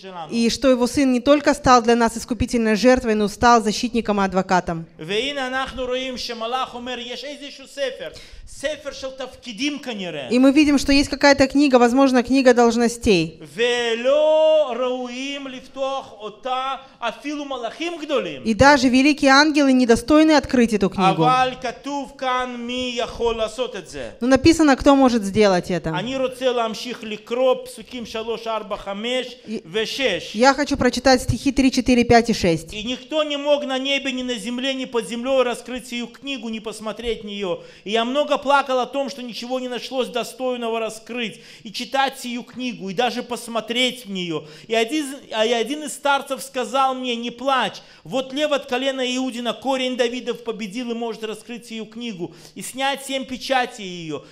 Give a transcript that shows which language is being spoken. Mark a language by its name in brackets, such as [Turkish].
[Russian] И что его сын не только стал для нас искупительной жертвой, но стал защитником и адвокатом. [Hebrew] והנה אנחנו רואים שמלאך אומר, יש איזשהו ספר. ספר של תפקידים כנראה. [Russian] И мы видим, что есть какая-то книга, возможно, книга должностей. [Hebrew] ולא ראויים לפתוח אותה אפילו מלאכים גדולים. [Russian] И даже великие ангелы недостойны открыть эту книгу. [Hebrew] אבל כתוב כאן מי יכול לעשות את זה. [Russian] Но написано, кто может сделать это. [Hebrew] אני רוצה להמשיך לקרוא פסוקים 3, 4, 5 ו-6. [Russian] Я хочу прочитать стихи 3, 4, 5 и 6. И никто не мог на небе, ни на земле, ни под землей раскрыть сию книгу, ни посмотреть нее. И я много плакал о том, что ничего не нашлось достойного раскрыть, и читать сию книгу, и даже посмотреть в нее. И один из старцев сказал мне, не плачь, вот лев от колена Иудина, корень Давидов победил и может раскрыть сию книгу, и снять семь печатей ее.